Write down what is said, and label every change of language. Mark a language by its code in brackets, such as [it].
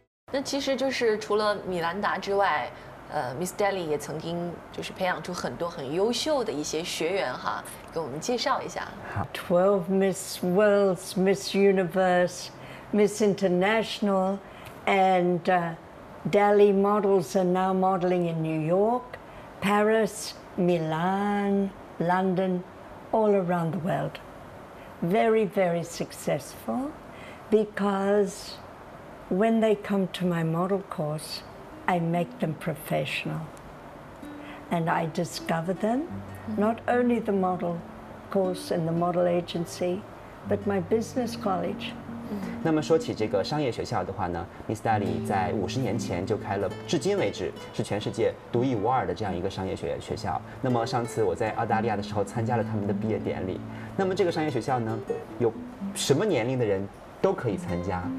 [zh] 那其实就是除了米兰达之外，Miss Daly 也曾经就是培养出很多很优秀的一些学员哈，给我们介绍一下。 [en] 12 Miss Worlds, Miss Universe, Miss International, and Daly models are now modeling in New York, Paris, Milan, London, all around the world. Very, very successful because. When they come to my model course, I make them professional. And I discover them, not only the model course and the model agency, but my business college. [zh] 那么说起这个商业学校的话呢 ，Miss Daly 在50年前就开了，至今为止是全世界独一无二的这样一个商业学校。那么上次我在澳大利亚的时候参加了他们的毕业典礼。那么这个商业学校呢，有什么年龄的人？都可以参加。